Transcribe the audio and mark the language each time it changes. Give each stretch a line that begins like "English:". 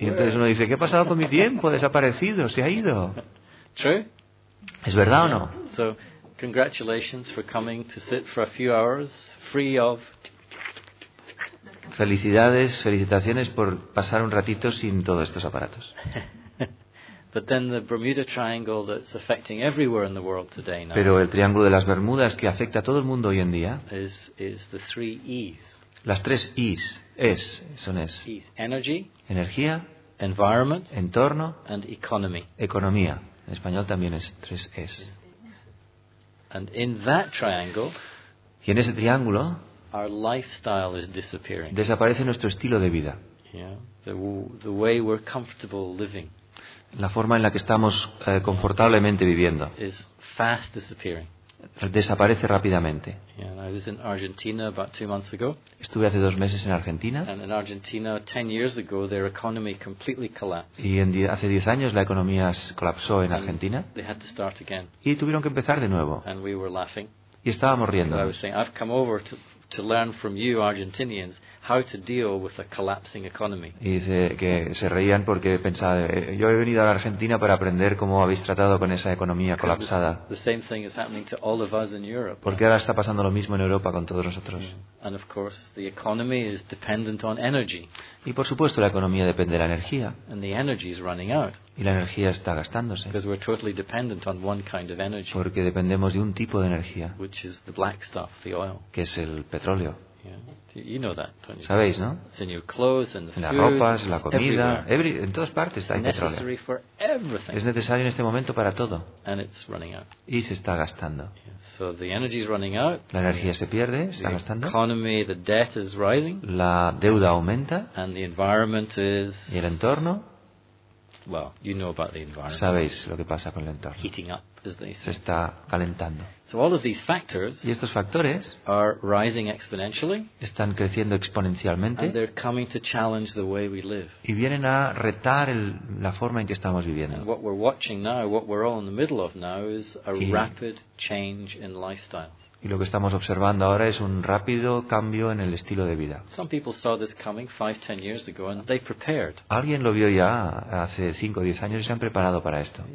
Spanish: Y entonces uno dice, ¿qué ha pasado con mi tiempo? Ha desaparecido. Se ha ido.
English: True.
Spanish: ¿Es verdad o no?
English: So, congratulations for coming to sit for a few hours free of.
Spanish: Felicidades, felicitaciones por pasar un ratito sin todos estos aparatos.
English: But then the Bermuda Triangle that's affecting everywhere in the world today now.
Spanish: Pero el triángulo de las Bermudas que afecta a todo el mundo hoy en día.
English: Is the three E's.
Spanish: Las tres E's. Es, son es.
English: E's. Energy.
Spanish: Energía.
English: Environment.
Spanish: Entorno.
English: And economy.
Spanish: Economía. En español también es tres E's.
English: And in that triangle.
Spanish: Y en ese triángulo.
English: Our lifestyle is disappearing.
Spanish: Desaparece nuestro estilo de vida.
English: Yeah, the way we're comfortable living.
Spanish: La forma en la que estamos confortablemente viviendo.
English: Is fast disappearing.
Spanish: Desaparece rápidamente.
English: Yeah, I was in Argentina about 2 months ago.
Spanish: Estuve hace 2 meses en Argentina.
English: And in Argentina, 10 years ago, their economy completely collapsed.
Spanish: Y hace 10 años la economía colapsó en Argentina.
English: And they had to start again.
Spanish: Y tuvieron que empezar de nuevo.
English: And we were laughing.
Spanish: Y estábamos riendo.
English: I was saying, I've come over to learn from you Argentinians how to deal with a collapsing economy.
Spanish: Y dice que se reían porque pensaba, yo he venido a la Argentina para aprender cómo habéis tratado con esa economía colapsada.
English: The same thing is happening to all of us in Europe.
Spanish: Porque ahora está pasando lo mismo en Europa con todos nosotros.
English: And of course the economy is dependent on energy.
Spanish: Y por supuesto la economía depende de la energía.
English: And the energy is running out.
Spanish: Y la energía está gastándose.
English: Because we're totally dependent on one kind of energy.
Spanish: Porque dependemos de un tipo de energía.
English: Which is the black stuff, the oil.
Spanish: Que es el petróleo.
English: Yeah. You know that, don't you?
Spanish: Sabéis, ¿no?
English: It's in your clothes and the
Spanish: en las ropas, la comida, en todas partes está
English: it's
Spanish: el petróleo.
English: Necessary for everything.
Spanish: Es necesario en este momento para todo.
English: And it's running out.
Spanish: Y se está gastando.
English: Yeah. So the energy is running out.
Spanish: La energía se pierde,
English: the
Spanish: se está gastando.
English: Economy, the debt is rising.
Spanish: La deuda aumenta.
English: And the environment is.
Spanish: Y el entorno.
English: Well, you know about the environment.
Spanish: Sabéis lo que pasa con el entorno.
English: Heating up, as they say.
Spanish: Se está calentando.
English: So all of these factors.
Spanish: Y estos factores.
English: Are rising exponentially.
Spanish: Están creciendo exponencialmente.
English: And they're coming to challenge the way we live.
Spanish: Y vienen a retar la forma en que estamos viviendo.
English: And what we're watching now, what we're all in the middle of now, is a rapid change in lifestyle.
Spanish: Y lo que estamos observando ahora es un rápido cambio en el estilo de vida.
English: Some people saw this coming 5-10 years ago and they prepared.
Spanish: Alguien lo vio ya hace 5 o 10 años y se han preparado para esto.